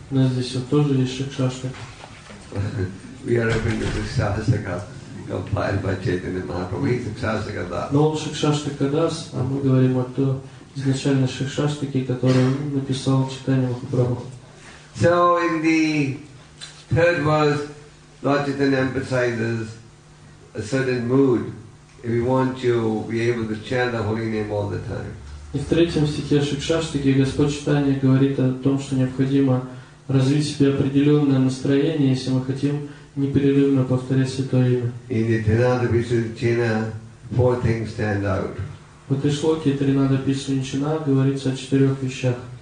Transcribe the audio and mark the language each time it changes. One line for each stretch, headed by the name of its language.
Russian: У нас здесь вот тоже есть Шикшаштака.
English: We are open to Shikshashtaka compiled by Chaitanya Mahaprabhu. He is Shikshashtaka Das.
Russian: Но он Шикшаштака Дас, а мы говорим о том, изначально Шикшаштаки, который написал Чайтанья Махапрабху.
English: So in the third verse, Lord Chaitanya emphasizes a certain mood if you want to be able to chant the holy name all the time.
Russian: И в третьем стихе Шикшаштаки Господь Чайтанья говорит о том, что необходимо развить в себе определенное настроение, если мы хотим непрерывно повторять Святое Имя.
English: In the Trinada Visuddhichina, four things stand out.
Russian: В этой шлоке Тринада Писанчина говорится о четырех вещах.